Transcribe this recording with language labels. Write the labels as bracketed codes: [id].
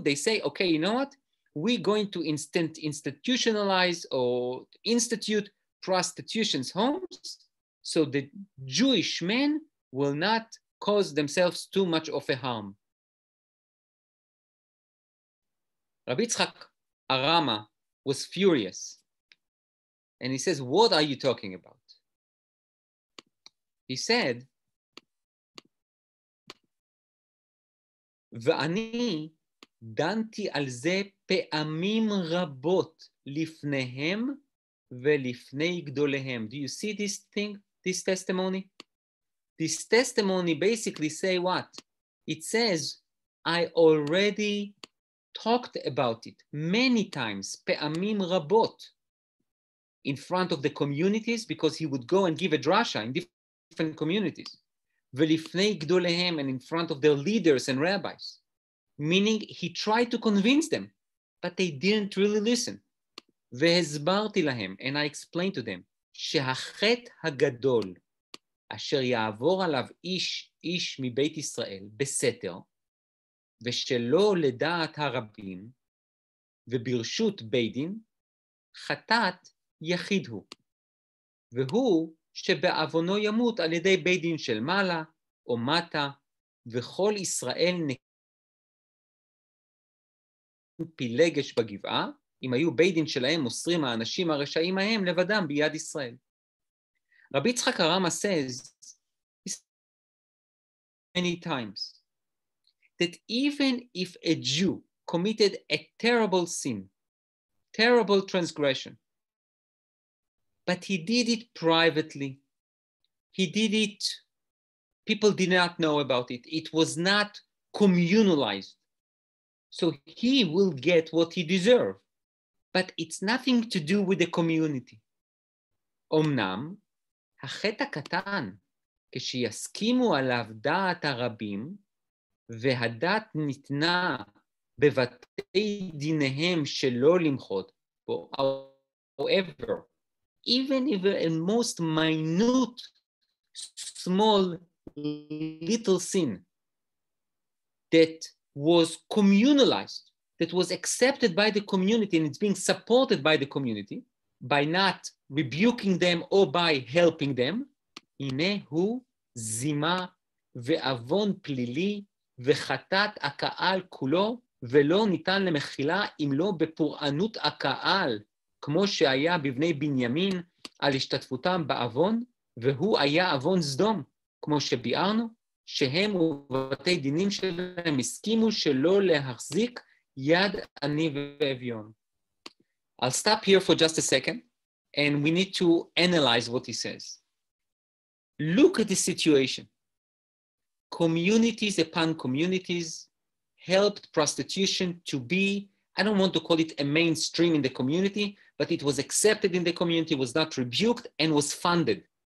[en] They say, okay, you know what? We're going to institutionalize or institute prostitution's homes so the Jewish men will not cause themselves too much of a harm. Rabbi Yitzchak Arama was furious. And he says, what are you talking about? He said, [he] ואני דנתי על זה פעמים רבות לפניהם ולפני גדוליהם. [en] Do you see this thing, this testimony? This testimony basically say what? It says, I already talked about it many times, [he] פעמים רבות, [en] in front of the communities, because he would go and give a drasha in different communities. [he] ולפני גדוליהם, [en] and in front of their leaders and rabbis. Meaning he tried to convince them, but they didn't really listen. [he] והסברתי להם, [en] and I explained to them, [he] שהחטא הגדול אשר יעבור עליו איש איש מבית ישראל בסתר, ושלא לדעת הרבים וברשות בית דין, חטאת יחיד הוא. והוא שבעוונו ימות על ידי בית דין של מעלה, או מטה, וכל ישראל נקים פילגש בגבעה, אם היו בית דין שלהם מוסרים האנשים הרשעים ההם לבדם ביד ישראל. [en] רבי יצחק הרמה says many times that even if a Jew committed a terrible sin, terrible transgression, but he did it privately, he did it, people did not know about it. It was not communalized. So he will get what he deserved. But it's nothing to do with the community. [he] Omnam, החטא הקטן, כשיסכימו עליו דעת הרבים, והדעת ניתנה בבתי דיניהם שלא למחות, [en] however, even if a most minute, small, little sin that was communalized, that was accepted by the community and it's being supported by the community by not rebuking them or by helping them, [he] הנה הוא זימה ואבון פלילי וחטאת הקהל כולו ולא ניתן למחילה אם לא בפורענות הקהל כמו שהיה בבני בנימין על השתתפותם באבון והוא היה אבון סדום כמו שביארנו, שהם ובתי דינים שלהם הסכימו שלא להחזיק יד עני ואביון. [en] I'll stop here for just a second, and we need to analyze what he says. Look at the situation. Communities upon communities helped prostitution to be, I don't want to call it a mainstream in the community, but it was accepted in the community, was not rebuked, and was funded.